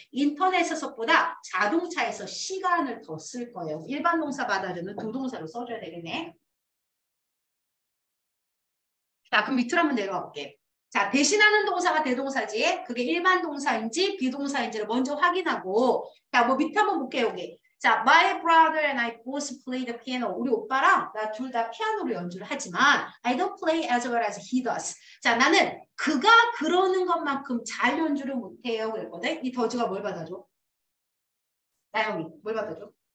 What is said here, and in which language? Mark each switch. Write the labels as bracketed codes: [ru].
[ko] 인터넷에서보다 자동차에서 시간을 더 쓸 거예요. 일반 동사 받아주는 두 동사로 써줘야 되겠네. 자, 그럼 밑으로 한번 내려갈게. 자, 대신하는 동사가 대동사지, 그게 일반 동사인지 비동사인지를 먼저 확인하고, 자, 뭐 밑에 한번 볼게요, 여기. [en] 자, my brother and I both play the piano. [ko] 우리 오빠랑 나 둘 다 피아노를 연주를 하지만 [en] I don't play as well as he does. [ko] 자, 나는 그가 그러는 것만큼 잘 연주를 못해요. 그랬거든? 이 더즈가 뭘 받아줘? 나영이, 뭘 받아줘?